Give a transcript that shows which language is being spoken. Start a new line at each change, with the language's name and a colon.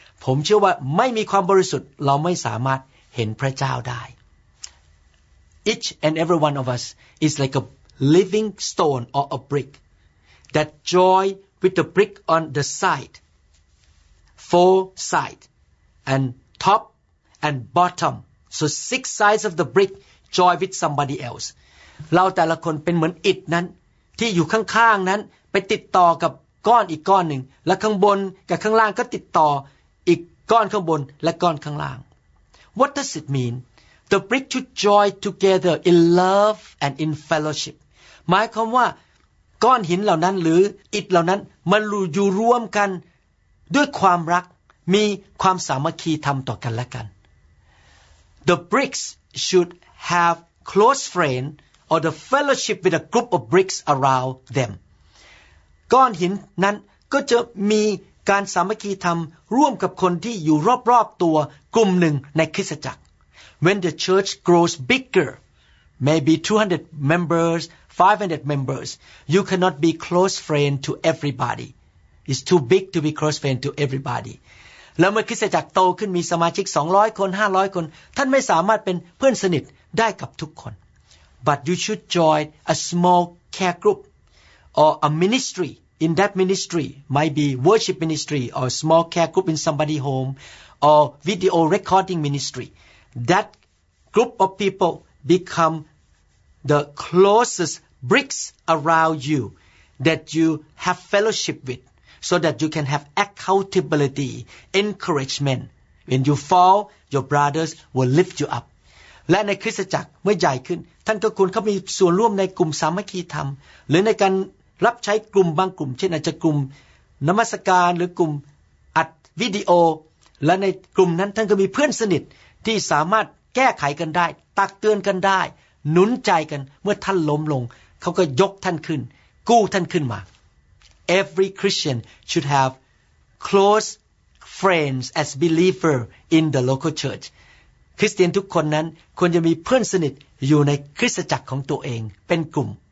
Thai: ผมเชื่อว่าไม่มีความบริสุทธิ์เราไม่สามารถเห็นพระเจ้าได้
English: Each and every one of us is like a living stone or a brick that joined with the brick on the side, four sides, and top and bottom. So six sides of the brick joined with somebody else.
Thai: เราแต่ละคนเป็นเหมือนอิฐนั้นที่อยู่ข้างๆนั้นไปติดต่อกับก้อนอีกก้อนหนึ่งและข้างบนกับข้างล่างก็ติดต่ออีกก้อนข้างบนและก้อนข้างล่าง
English: What does it mean? The brick to join together in love and in fellowship.
Thai: หมายความว่าก้อนหินเหล่านั้นหรืออิฐเหล่านั้นมันอยู่ร่วมกันด้วยความรักมีความสามัคคีทำต่อกันและกัน
English: The bricks should have close friend or the fellowship with a group of bricks around them.
Thai: ก้อนหินนั้นก็จะมีการสามัคคีทำร่วมกับคนที่อยู่รอบๆตัวกลุ่มหนึ่งในคริสตจักร
English: When the church grows bigger, maybe 200 members, 500 members, you cannot be close friend to everybody. It's too big to be close friend to everybody.
Thai: แล้วเมื่อคริสตจักรโตขึ้นมีสมาชิก200คน500คนท่านไม่สามารถเป็นเพื่อนสนิทได้กับทุกคน
English: But you should join a small care group or a ministry. In that ministry, might be worship ministry or small care group in somebody's home or video recording ministry. That group of people become the closest bricks around you that you have fellowship with so that you can have accountability, encouragement. When you fall, your brothers will lift you up.
Thai: และในคริสตจักรเมื่อใหญ่ขึ้นท่านก็ควรเข้ามีส่วนร่วมในกลุ่มสามัคคีธรรมหรือในการรับใช้กลุ่มบางกลุ่มเช่นอาจจะกลุ่มนมัสการหรือกลุ่มอัดวิดีโอ และในกลุ่มนั้นท่านก็มีเพื่อนสนิทที่สามารถแก้ไขกันได้ตักเตือนกันได้หนุนใจกันเมื่อท่านล้มลงเขาก็ยกท่านขึ้นกู้ท่านขึ้นมา
English: Every Christian should have close friends as believer in the local church
Thai: คริสเตียนทุกคนนั้นควรจะมีเพื่อนสนิทอยู่ในคริสตจักรของตัวเองเป็นกลุ่ม